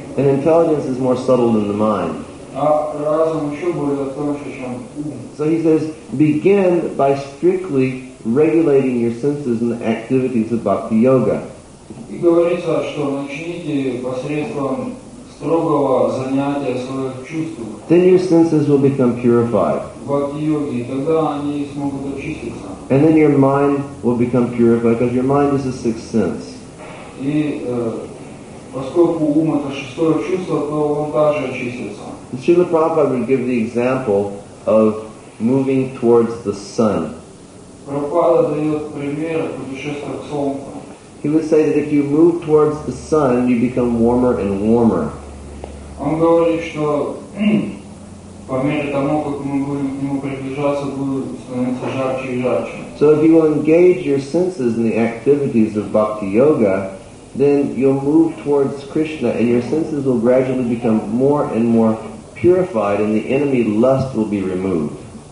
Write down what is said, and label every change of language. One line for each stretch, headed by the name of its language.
English: And intelligence is more subtle than the mind.
Russian: А разум еще более тонкий, чем ум.
English: So he says, begin by strictly regulating your senses and the activities of bhakti yoga.
Russian: И говорится, что начните посредством строгого занятия своих чувств.
English: Then your senses will become purified.
Russian: Бхакти-йоги, тогда они смогут очиститься.
English: And then your mind will become purified because your mind is a sixth sense.
Russian: И поскольку ум это шестое чувство, то он также очистится.
English: Srila Prabhupada would give the example of moving towards the sun.
Russian: Prabhupada дает пример путешествия к солнцу.
English: He would say that if you move towards the sun, you become warmer and warmer.
Russian: Он говорит, что по мере того, как мы будем к нему приближаться, будет становиться жарче и жарче.
English: So if you will engage your senses in the activities of bhakti yoga, then you'll move towards Krishna and your senses will gradually become more and more purified and the enemy lust will be removed.